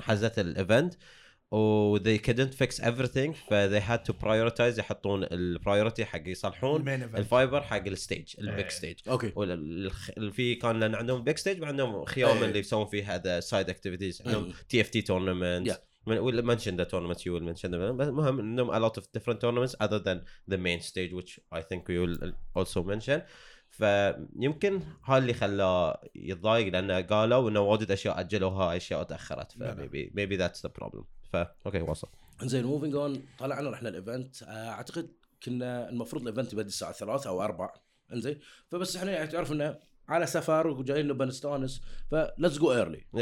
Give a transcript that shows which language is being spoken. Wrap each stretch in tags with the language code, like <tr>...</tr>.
<ar>حزت الايفنت و</ar> <en>they couldn't fix everything. They had to prioritize.</en> <ar>يحطون البرايورتي حق يصلحون الفايبر حق الستيج البيك ستيج. اوكي. وفي كان لان عندهم بيك ستيج عندهم خيام اللي يسوون فيه هذا سايد اكتيفيتيز عندهم تي اف تي تورنمنت.</ar> <en>We'll mention the tournaments. You will mention them. But</en> <ar>مهم عندهم</ar> <en>a lot of different tournaments other than the main stage which I think we will also mention.</en> <ar>فيمكن هاللي خلاه يضايق لأنه قالوا إنه واجد أشياء أجلوها أشياء تأخرت.</ar> <en>فmaybe that's the problem.</en> <ar>فأوكي وصل. إنزين</ar> <en>moving on</en> <ar>طلعنا رحنا الإيفنت. أعتقد كنا المفروض الإيفنت يبدأ الساعة 3 أو 4. إنزين فبس إحنا يعني تعرف إنه على سفر وجايين لبنستانس ف</ar> <en>let's go early.</en>